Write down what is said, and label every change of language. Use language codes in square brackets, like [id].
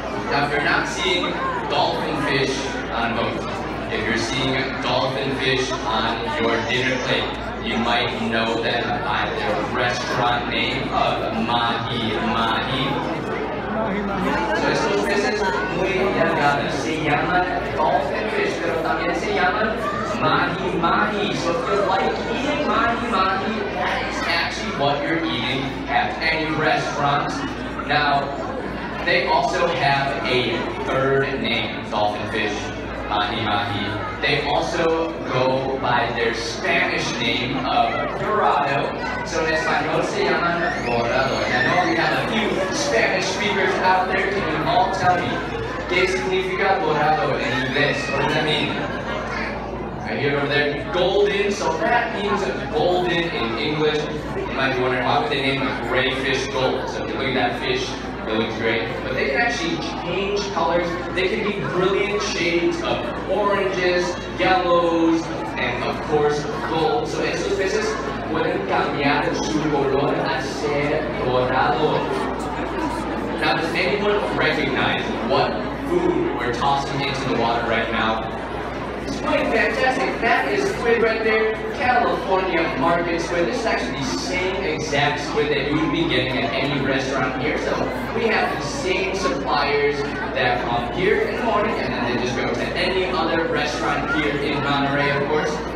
[en] Now, if you're not seeing dolphin fish on boats, if you're seeing dolphin fish on your dinner plate, you might know them by their restaurant name of Mahi Mahi. So this is [es] muy delgado. Se llama dolphin fish, pero también se llama Mahi Mahi. [en] So if you're like eating Mahi Mahi, that is actually what you're eating at any restaurant. Now, they also have a third name, dolphin fish. Mahi Mahi. They also go by their Spanish name of Dorado. So in [es] Espanol se llaman Dorado. [en] I know we have a few Spanish speakers out there. Can you all tell me [es] qué significa Dorado [en] in English? What does that mean? I hear over there, golden. So that means golden in English. You might be wondering, why would they name a gray fish gold? So if you look at that fish, it looks great, but they can actually change colors. They can be brilliant shades of oranges, yellows, and of course, gold. [es] So esos peces pueden cambiar su color a ser dorado. [en] Now, does anyone recognize what food we're tossing into the water right now? It's quite fantastic. That is squid right there. California Market Squid. This is actually the same exact squid that you would be getting at any restaurant here. So we have the same suppliers that come here in the morning and then they just go to any other restaurant here in Monterey, of course.